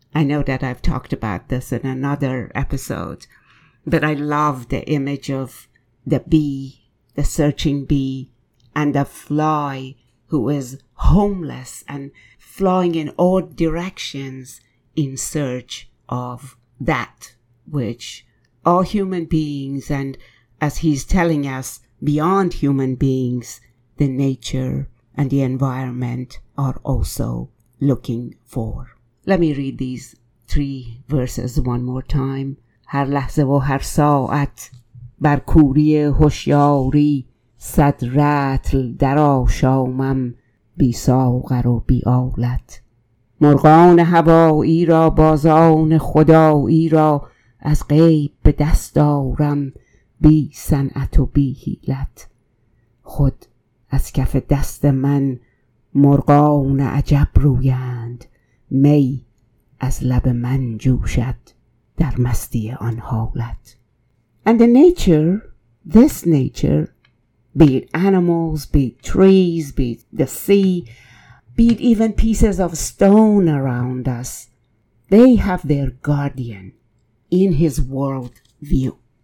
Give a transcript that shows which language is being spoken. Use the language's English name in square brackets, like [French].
[English] I know that I've talked about this in another episode, but I love the image of the bee, the searching bee, and the fly who is homeless and flying in all directions in search of that which all human beings, and as he's telling us, beyond human beings, the nature and the environment are also looking for. Let me read these three verses one more time. [Persian] هر لحظه و هر ساعت بر کوری هوشیاری صد رتل در آشامم بی ساغر و بی آلت. مرغان هوایی را بازان خدایی را از غیب به دست آورم بی صنعت و بی حیلت. خود از کف دست من مرغان عجب رویند، می از لب من جوشد در مستی آن حالت. [English] And the nature, this nature, be it animals, be it trees, be it the sea, be it even pieces of stone around us, they have their guardian in his world view.